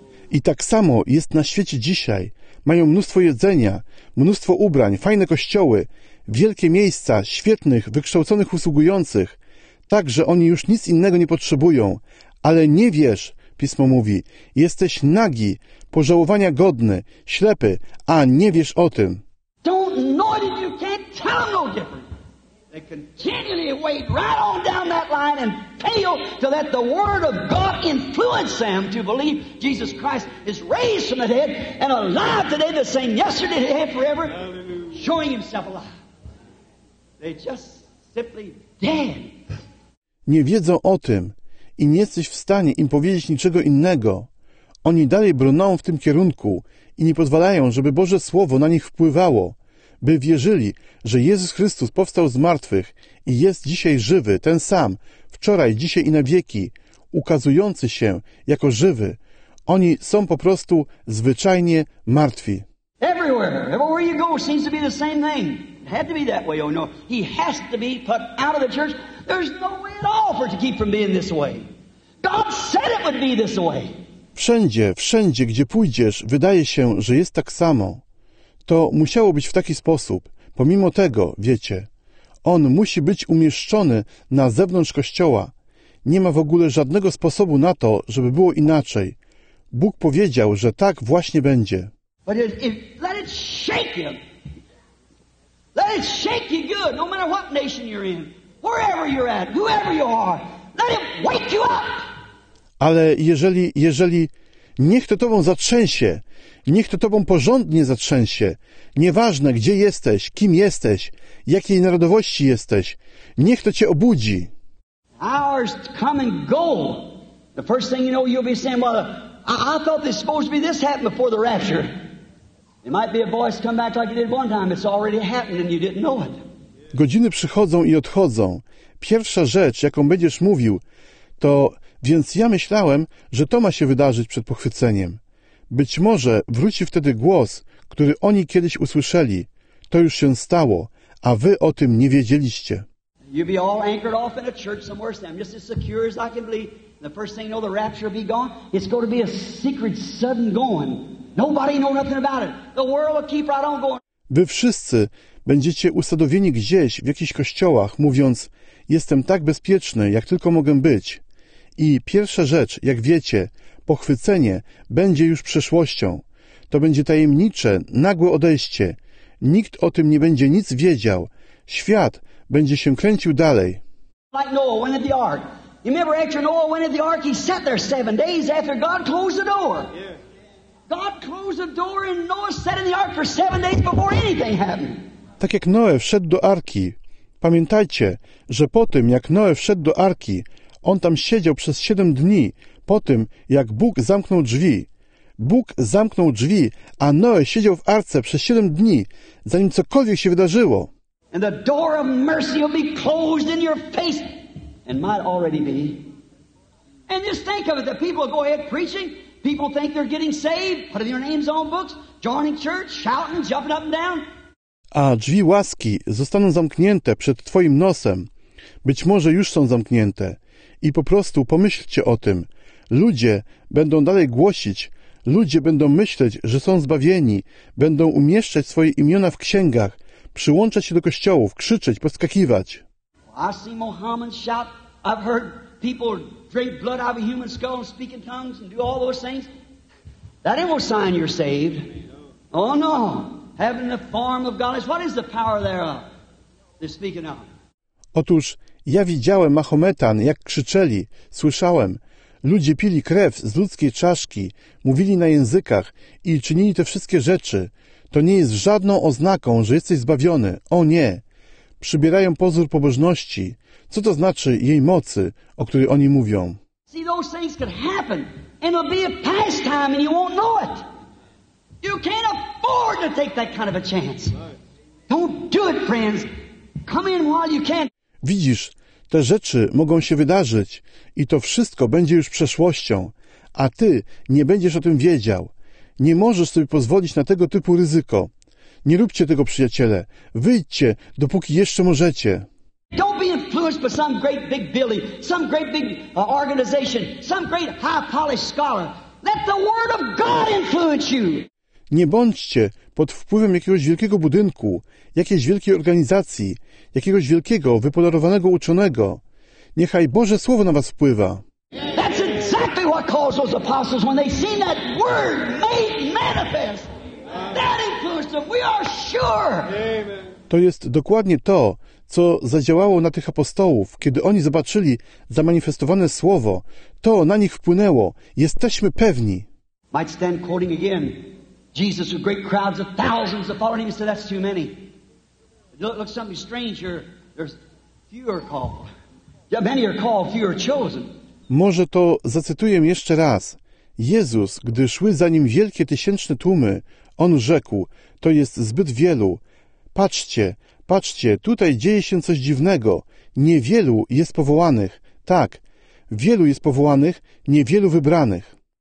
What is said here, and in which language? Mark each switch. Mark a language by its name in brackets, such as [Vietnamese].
[Polish] I tak samo jest na świecie dzisiaj. Mają mnóstwo jedzenia, mnóstwo ubrań, fajne kościoły, wielkie miejsca, świetnych, wykształconych usługujących. Tak, że oni już nic innego nie potrzebują. Ale nie wiesz, Pismo mówi, jesteś nagi, pożałowania godny, ślepy, a nie wiesz o tym. [English] Don't know it and you can't tell them no different. They continually wait right on down that line and fail to let the word of God influence them to believe Jesus Christ is raised from the dead and alive today, the same yesterday, today, forever, showing himself alive. They just simply dead. [Polish] Nie wiedzą o tym i nie jesteś w stanie im powiedzieć niczego innego. Oni dalej brną w tym kierunku i nie pozwalają, żeby Boże Słowo na nich wpływało, by wierzyli, że Jezus Chrystus powstał z martwych i jest dzisiaj żywy, ten sam, wczoraj, dzisiaj i na wieki, ukazujący się jako żywy. Oni są po prostu zwyczajnie martwi. [English] Everywhere you go seems to be the same thing. It had to be that way, oh no. He has to be put out of the church. There's no way at all for it to keep from being this way. God said it would be this way. [Polish] Wszędzie, gdzie pójdziesz, wydaje się, że jest tak samo. To musiało być w taki sposób. Pomimo tego, wiecie, on musi być umieszczony na zewnątrz kościoła. Nie ma w ogóle żadnego sposobu na to, żeby było inaczej. Bóg powiedział, że tak właśnie będzie. [English] But if let it shake him. Let it shake you good, no matter what nation you're in, wherever you're at, whoever you are. Let it wake you up. [Polish] Ale jeżeli niech to tobą zatrzęsie, niech to tobą porządnie zatrzęsie, nieważne gdzie jesteś, kim jesteś, jakiej narodowości jesteś, niech to cię obudzi. [English] Hours come and go. The first thing you know, you'll be saying, well, I thought this was supposed to be this happened before the rapture. It might be a voice come back like it did one time. It's already happened and you didn't know it. [Polish] Godziny przychodzą i odchodzą. Pierwsza rzecz, jaką będziesz mówił, to więc ja myślałem, że to ma się wydarzyć przed pochwyceniem. Być może wróci wtedy głos, który oni kiedyś usłyszeli. To już się stało, a wy o tym nie wiedzieliście. [English] You'll be all anchored off in a church somewhere, Sam, just as secure as I can believe. And the first thing you know, the rapture will be gone. It's going to be a secret, sudden going. Nobody know nothing about it. The world will keep right on going. [Polish] Wy wszyscy będziecie usadowieni gdzieś w jakichś kościołach, mówiąc, jestem tak bezpieczny, jak tylko mogę być. I pierwsza rzecz, jak wiecie, pochwycenie będzie już przeszłością. To będzie tajemnicze, nagłe odejście. Nikt o tym nie będzie nic wiedział. Świat będzie się kręcił dalej. [English] Like Noah went at the ark. You remember after Noah went at the ark, he sat there 7 days after God closed the door. Yeah. God closed the door and Noah sat in the ark for 7 days before anything happened. [Polish] Tak jak Noe wszedł do arki. Pamiętajcie, że po tym, jak Noe wszedł do arki, on tam siedział przez 7 dni, po tym, jak Bóg zamknął drzwi. Bóg zamknął drzwi, a Noe siedział w arce przez 7 dni, zanim cokolwiek się wydarzyło. [English] And the door of mercy will be closed in your face, and might already be. And just think of it, the people go ahead preaching, people think they're getting saved, putting their names on books, joining church, shouting, jumping up and down. [Polish] A drzwi łaski zostaną zamknięte przed twoim nosem. Być może już są zamknięte. I po prostu pomyślcie o tym. Ludzie będą dalej głosić. Ludzie będą myśleć, że są zbawieni. Będą umieszczać swoje imiona w księgach. Przyłączać się do kościołów. Krzyczeć, poskakiwać. [English] I see Muhammad shout. I've heard people drink blood out of a human skull and speak in tongues and do all those things. That ain't no sign you're saved. Oh no. Having the form of godliness. What is the power thereof? They're speaking of. [Polish] Otóż ja widziałem Mahometan, jak krzyczeli, słyszałem. Ludzie pili krew z ludzkiej czaszki, mówili na językach i czynili te wszystkie rzeczy. To nie jest żadną oznaką, że jesteś zbawiony. O nie! przybierają pozór pobożności, co to znaczy jej mocy, o której oni mówią. [English] See, those things could happen, and it'll be a pastime, and you won't know it. You can't afford to take that kind of a chance. Don't do it, friends. Come in while you can. [Polish] Widzisz, te rzeczy mogą się wydarzyć i to wszystko będzie już przeszłością, a ty nie będziesz o tym wiedział. Nie możesz sobie pozwolić na tego typu ryzyko. Nie róbcie tego, przyjaciele. Wyjdźcie, dopóki jeszcze możecie. [English] Don't be influenced by some great big building, some great big organization, some great high-polished scholar. Let the word of God influence you. [Polish] Nie bądźcie pod wpływem jakiegoś wielkiego budynku, jakiejś wielkiej organizacji, jakiegoś wielkiego, wypolerowanego uczonego. Niechaj Boże Słowo na was wpływa. [English] That's exactly what caused those apostles when they seen that word made manifest. That influenced them, we are sure. [Polish] To jest dokładnie to, co zadziałało na tych apostołów, kiedy oni zobaczyli zamanifestowane słowo. To na nich wpłynęło. Jesteśmy pewni. [English] Might stand quoting again. Jesus with great crowds of thousands of following him, he said, that's too many. Look, something strange here. There's fewer called. Yeah, many are called, fewer chosen. [Polish] Może to zacytuję jeszcze raz. Jezus, gdy szły za nim wielkie tysięczne tłumy, on rzekł, to jest zbyt wielu. Patrzcie, patrzcie, tutaj dzieje się coś dziwnego. Niewielu jest powołanych. Tak, wielu jest powołanych, niewielu wybranych.